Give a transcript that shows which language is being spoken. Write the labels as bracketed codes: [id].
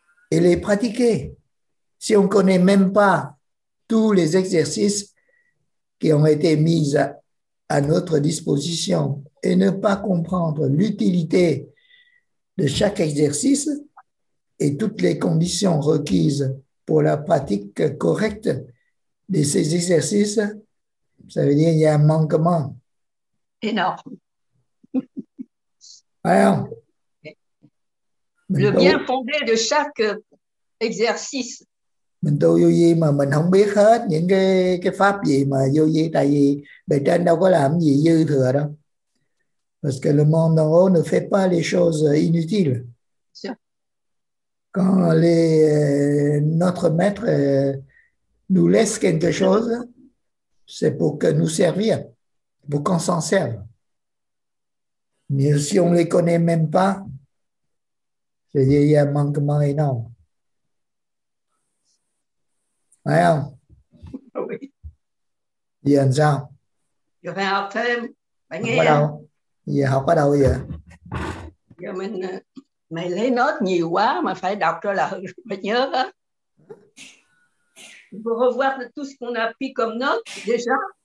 [fr] Et les pratiquer. Si on ne connaît même pas tous les exercices qui ont été mis à notre disposition et ne pas comprendre l'utilité de chaque exercice et toutes les conditions requises pour la pratique correcte de ces exercices, ça veut dire qu'il y a un manquement énorme. Ouais. Le bien fondé de chaque exercice. [vi] Mình tu vô vi mà mình không biết hết những cái pháp gì mà vô vi, tại vì bề trên đâu có làm gì dư thừa đâu. [fr] Parce que le monde en haut ne fait pas les choses inutiles. Quand notre maître nous laisse quelque chose, c'est pour que nous servir, pour qu'on s'en serve. Mais si on ne les connaît même pas, c'est-à-dire qu'il y a un manquement énorme. Ouais. Oui. Il y a un genre. Il y a un thème. Il y a un thème. Il y a un thème. [vi] Rồi mình mày lấy nốt nhiều quá mà phải đọc cho là phải nhớ đó. [fr] Vous revoir tout ce qu'on a pris comme note déjà.